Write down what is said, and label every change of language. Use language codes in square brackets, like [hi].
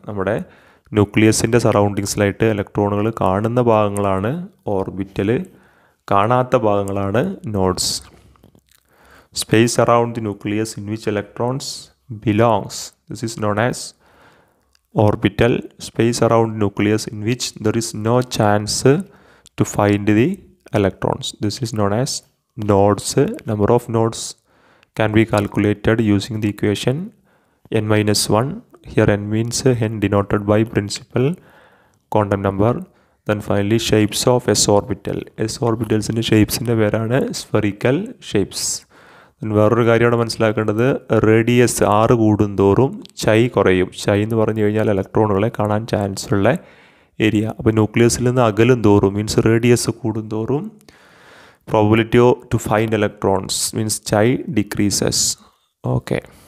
[ml] നമ്മുടെ ന്യൂക്ലിയസിൻ്റെ സറൗണ്ടിങ്സിലായിട്ട് ഇലക്ട്രോണുകൾ കാണുന്ന ഭാഗങ്ങളാണ് ഓർബിറ്റൽ, കാണാത്ത ഭാഗങ്ങളാണ് nodes. [en] Space around the nucleus in which electrons belongs, this is known as orbital. Space around nucleus in which there is no chance to find the electrons, this is known as nodes. Number of nodes can be calculated using the equation N-1. Here N means N denoted by principal quantum number. Then finally, shapes of S orbital. S orbitals in the shapes in the where are spherical shapes. [ml] വേറൊരു കാര്യമാണ് മനസ്സിലാക്കേണ്ടത്, radius 6 കൂടും തോറും ചൈ കുറയും. ചൈ എന്ന് പറഞ്ഞു കഴിഞ്ഞാൽ ഇലക്ട്രോണുകളെ കാണാൻ ചാൻസ് ഉള്ള ഏരിയ. അപ്പോൾ ന്യൂക്ലിയസിൽ നിന്ന് അകലും തോറും, മീൻസ് റേഡിയസ് കൂടും തോറും, [en] Probability to find electrons means ചൈ decreases. [ml] Okay.